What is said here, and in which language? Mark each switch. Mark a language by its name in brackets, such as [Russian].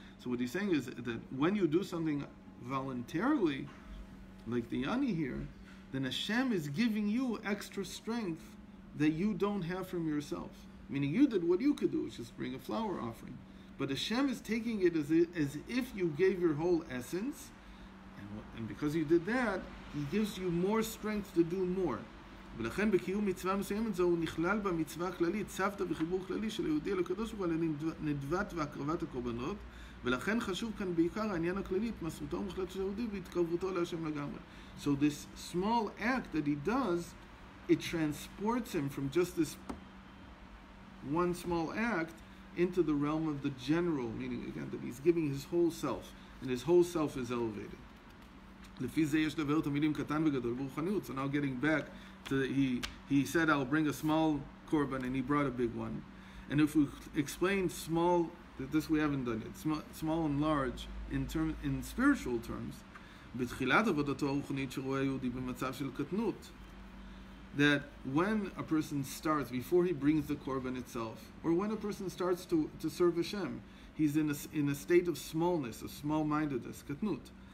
[English] So what he's saying is that when you do something voluntarily, like the Yani here, then Hashem is giving you extra strength that you don't have from yourself. Meaning you did what you could do, which is bring a flower offering. But Hashem is taking it as if you gave your whole essence, and because you did that, He gives you more strength to do more. [Hebrew] ולכן בקיום מצווה מסוימת זו הוא נכלל במצווה הכללית, צוותא בחיבור כללי של היהודי אל הקדוש ברוך הוא על נדבת והקרבת הקורבנות, ולכן חשוב כאן בעיקר העניין הכללי, התמסרותו המוחלטת של היהודי והתקרבותו להשם לגמרי. [English] So this small act that he does, it transports him from just this one small act into the realm of the general, meaning again that he's giving his whole self, and his whole self is elevated. [Hebrew] לפי זה יש לבאר תמידים קטן וגדול ברוחניות. [English] So now getting back to he said, I'll bring a small korban, and he brought a big one. And if we explain small, this we haven't done yet, small and large in spiritual terms, [Hebrew] בתחילת עבודתו הרוחנית שרואה יהודי במצב של קטנות, [English] that when a person starts, before he brings the korban itself, or when a person starts to serve Hashem, he's in a state of smallness, a small-mindedness, katnut.